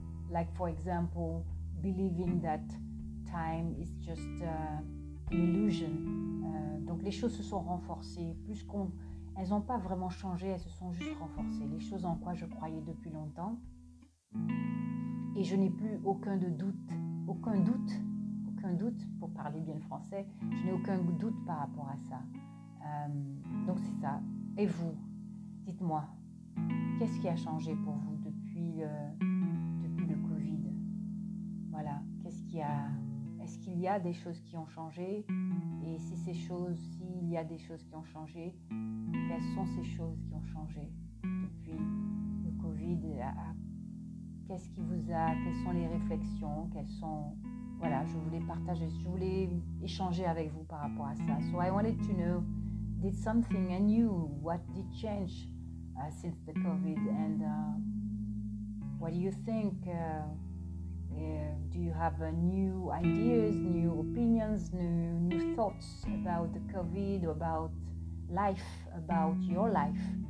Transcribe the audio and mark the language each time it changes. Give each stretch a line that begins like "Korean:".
English: Like for example, believing that time is just an illusion.
French: Donc les choses se sont renforcées, elles n'ont pas vraiment changé, elles se sont juste renforcées, les choses en quoi je croyais depuis longtemps, et je n'ai plus aucun doute, pour parler bien le français, je n'ai aucun doute par rapport à ça, donc c'est ça, Et vous, dites-moi, qu'est-ce qui a changé pour vous depuis le Covid? Voilà, est-ce qu'il y a des choses qui ont changé? Et si ces choses, s'il y a des choses qui ont changé, quelles sont ces choses qui ont changé depuis le Covid? Qu'est-ce qui vous a, quelles sont les réflexions, quelles sont... Voilà, je voulais partager, je voulais échanger avec vous par rapport à ça.
English: So I wanted to know, did something new, what did change since the COVID, and what do you think? Do you have new ideas, new opinions, new thoughts about the COVID, about life, about your life?